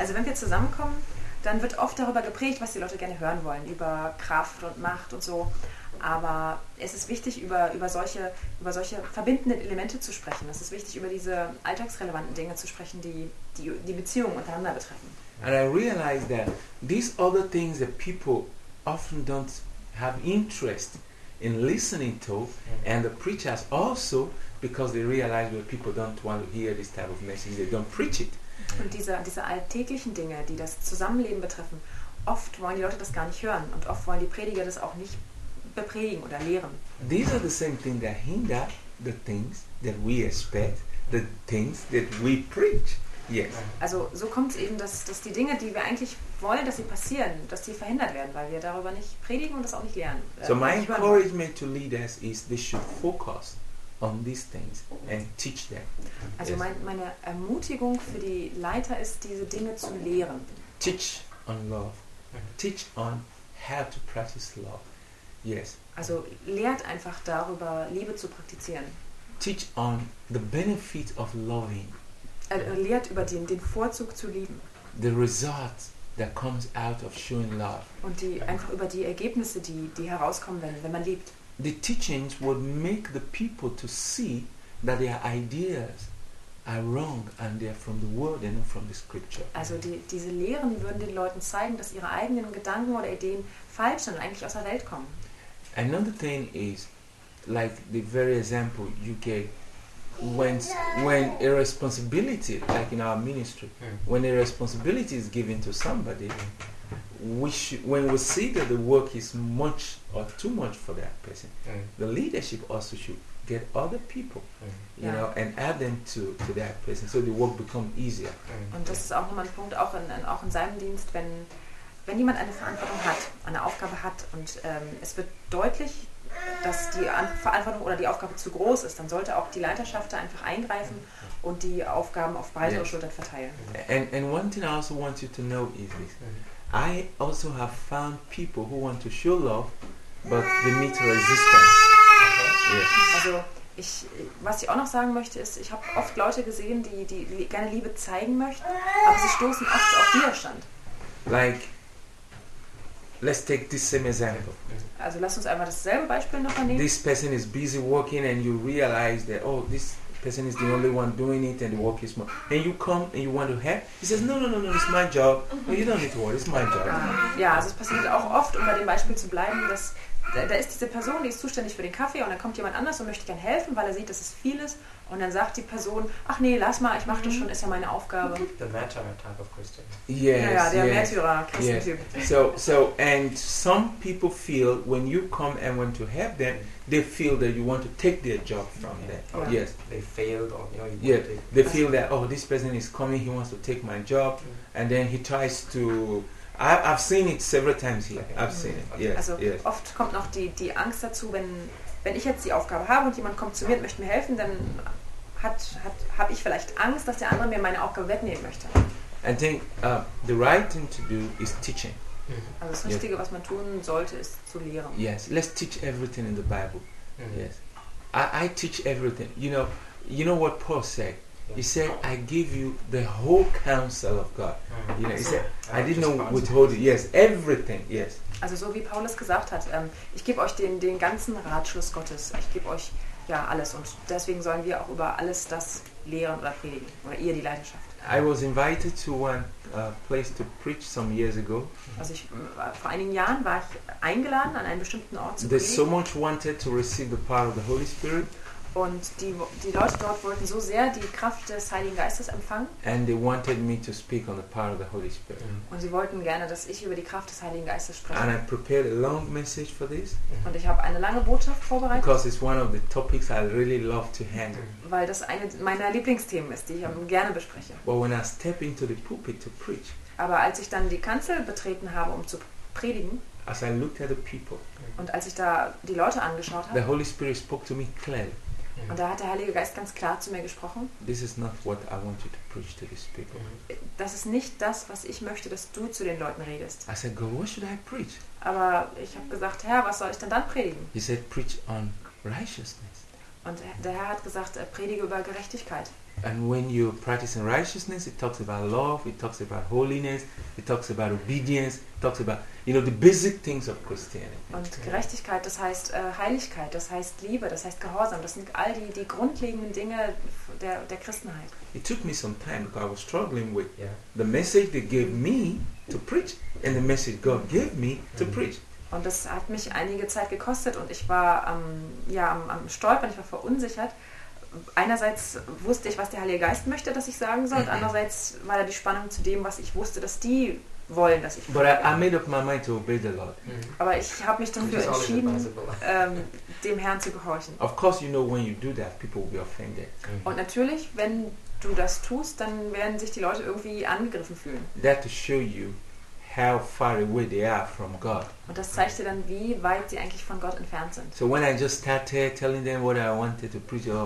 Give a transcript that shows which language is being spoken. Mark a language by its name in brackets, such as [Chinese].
[German] Also wenn wir zusammenkommen, dann wird oft darüber gepredigt, was die Leute gerne hören wollen, über Kraft und Macht und so. Aber es ist wichtig, über solche verbindenden Elemente zu sprechen. Es ist wichtig, über diese alltagsrelevanten Dinge zu sprechen, die Beziehungen untereinander betreffen. [English] And I realize that these other things that people often don't have interest in listening to, and the preachers also, because they realize that people don't want to hear this type of message, they don't preach it. [German] Und diese alltäglichen Dinge, die das Zusammenleben betreffen, oft wollen die Leute das gar nicht hören und oft wollen die Prediger das auch nicht bepredigen oder lehren. [English] These are the same things that hinder the things that we expect, the things that we preach. Yes. [German] Also so kommt es eben, dass die Dinge, die wir eigentlich wollen, dass sie passieren, dass sie verhindert werden, weil wir darüber nicht predigen und das auch nicht lernen. [English] So my encouragement to leaders is they should focus on these things and teach them. [German] Also meine Ermutigung für die Leiter ist, diese Dinge zu lehren. [English] Teach on love. Teach on how to practice love. Yes. [German] Also lehrt einfach darüber, Liebe zu praktizieren. [English] Teach on the benefit of loving. [German] Lehrt über den Vorzug zu lieben. [English] The result that comes out of showing love. [German] Und die einfach über die Ergebnisse, die herauskommen, wenn man liebt. [English] The teachings would make the people to see that their ideas are wrong and they are from the world and not from the scripture. [German] Also diese Lehren würden den Leuten zeigen, dass ihre eigenen Gedanken oder Ideen falsch sind und eigentlich aus der Welt kommen. [English] Another thing is, like the very example you gave, when a responsibility, like in our ministry, when a responsibility is given to somebody, when we see that the work is much or too much for that person, the leadership also should get other people, you know, and add them to that person, so the work becomes easier. [German] Und das ist auch nochmal ein Punkt, auch in seinem Dienst, wenn jemand eine Verantwortung hat, eine Aufgabe hat, und es wird deutlich, dass die Verantwortung oder die Aufgabe zu groß ist, dann sollte auch die Leiterschaft da einfach eingreifen und die Aufgaben auf weitere Schultern verteilen. [English] And one thing I also want you to know is this. I also have found people who want to show love, but they meet resistance. Yes. [German] Also was ich auch noch sagen möchte, ist, ich habe oft Leute gesehen, die gerne Liebe zeigen möchten, aber sie stoßen oft auf Widerstand. [English] Like, let's take this same example. [German] Also lass uns einfach dasselbe Beispiel noch nehmen. [English] This person is busy working and you realize that, oh, this person is the only one doing it and the work is more. And you come and you want to help. He says, no, it's my job. Mm-hmm. Well, you don't need to worry, it's my job. [German] Ja, also es passiert auch oft, um bei dem Beispiel zu bleiben, dass da ist diese Person, die ist zuständig für den Kaffee und dann kommt jemand anders und möchte gern helfen, weil er sieht, dass es viel ist. Und dann sagt die Person, ach nee, lass mal, ich mach das schon, ist ja meine Aufgabe. [English] The Märtyrer type of Christian. Yes, [German] Märtyrer, Christian-Typ. [English] Yes. So, and some people feel, when you come and want to help them, they feel that you want to take their job from them. Yeah. Yes. They failed. They feel that, oh, this person is coming, he wants to take my job. Mm-hmm. And then he tries to... I've seen it several times here. I've seen it. Yes, [German] also [English] yes. [German] Oft kommt noch die Angst dazu, wenn ich jetzt die Aufgabe habe und jemand kommt zu mir und möchte mir helfen, dann habe ich vielleicht Angst, dass der andere mir meine Aufgabe wegnehmen möchte. [English] I think the right thing to do is teaching. [German] Also das Richtige, was man tun sollte, ist zu lehren. [English] Yes, let's teach everything in the Bible. Yes, I teach everything. You know what Paul said? He said, I give you the whole counsel of God. Mm-hmm. You know, he said, I didn't know what to hold it. Yes, everything, yes. [German] Also so wie Paulus gesagt hat, ich gebe euch den ganzen Ratschluss Gottes. Ich gebe euch ja alles. Und deswegen sollen wir auch über alles das lehren oder predigen. Oder ihr die Leidenschaft. [English] I was invited to one place to preach some years ago. [German] Also ich, vor einigen Jahren war ich eingeladen an einen bestimmten Ort zu predigen. [English] They so much wanted to receive the power of the Holy Spirit. [German] Und die Leute dort wollten so sehr die Kraft des Heiligen Geistes empfangen. [English] And they wanted me to speak on the power of the Holy Spirit. [German] Und sie wollten gerne, dass ich über die Kraft des Heiligen Geistes spreche. [English] And I prepared a long message for this. [German] Und ich habe eine lange Botschaft vorbereitet. [English] Because it's one of the topics I really love to handle. [German] Weil das eine meiner Lieblingsthemen ist, die ich gerne bespreche. [English] But when I step into the pulpit to preach. [German] Aber als ich dann die Kanzel betreten habe, um zu predigen. [English] As I looked at the people. [German] Und als ich da die Leute angeschaut habe. [English] The Holy Spirit spoke to me clearly. [German] Und da hat der Heilige Geist ganz klar zu mir gesprochen. [English] This is not what I want you to preach to these people. [German] Das ist nicht das, was ich möchte, dass du zu den Leuten redest. [English] I said, God, what should I preach? [German] Aber ich habe gesagt, Herr, was soll ich denn dann predigen? [English] He said, preach on righteousness. [German] Und der Herr hat gesagt, predige über Gerechtigkeit. [English] And when you practice in righteousness, it talks about love, it talks about holiness, it talks about obedience, it talks about, you know, the basic things of Christianity. [German] Und Gerechtigkeit, das heißt Heiligkeit, das heißt Liebe, das heißt Gehorsam, das sind all die grundlegenden Dinge der Christenheit. [English] It took me some time because I was struggling with yeah. the message they gave me to preach and the message God gave me to preach. [German] Und das hat mich einige Zeit gekostet und ich war am Stolpern, ich war verunsichert. Einerseits wusste ich, was der Heilige Geist möchte, dass ich sagen soll, und andererseits war da die Spannung zu dem, was ich wusste, dass die wollen, dass ich. [English] But I made up my mind to obey the Lord. [German] Aber ich habe mich dafür entschieden, dem Herrn zu gehorchen. [English] Of course, you know when you do that, people will be offended. Mm-hmm. [German] Und natürlich, wenn du das tust, dann werden sich die Leute irgendwie angegriffen fühlen. [English] That to show you how far away they are from God. [German] Und das zeigt dir dann, wie weit sie eigentlich von Gott entfernt sind. [English] So when I just started telling them what I wanted to preach,